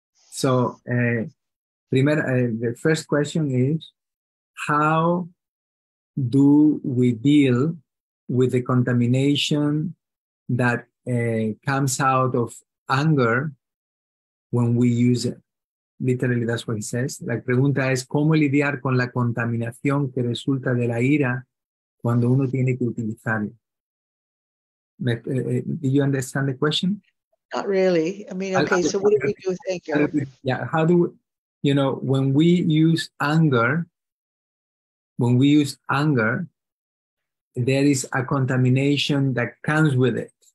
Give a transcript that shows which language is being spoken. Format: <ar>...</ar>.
<en>So the first question is, how do we deal with the contamination that comes out of anger when we use it? Literally, that's what he says.</en> <es>La pregunta es, ¿cómo lidiar con la contaminación que resulta de la ira cuando uno tiene que utilizarla?</es> <en>Do you understand the question? Not really. I mean, okay, so what do we do? Thank you. Yeah, how do we, you know, when we use anger, when we use anger, there is a contamination that comes with it.</en>